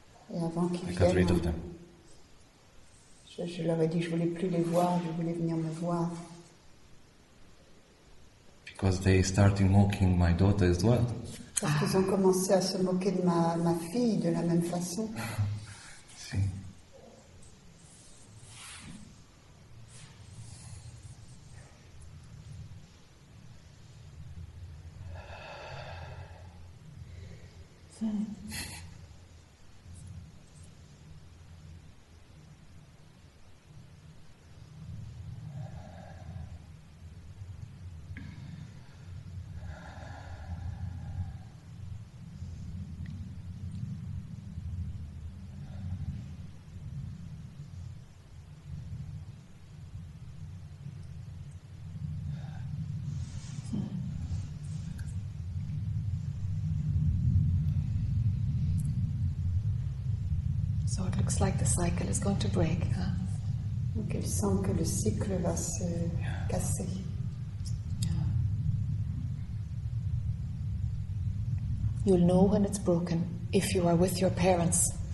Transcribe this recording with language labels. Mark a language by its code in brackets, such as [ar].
[fr] Avant qu'ils [en] I got rid of them. [fr] Je leur ai dit je voulais plus les voir, je voulais venir me voir. [en] Because they started mocking my daughter as well. [fr] Parce qu'ils ont commencé à se moquer de ma fille de la même façon. Si. Hmm. [en] So it looks like the cycle is going to break, huh? [fr] Donc elle sent que le cycle va se casser. [en] You'll know when it's broken if you are with your parents.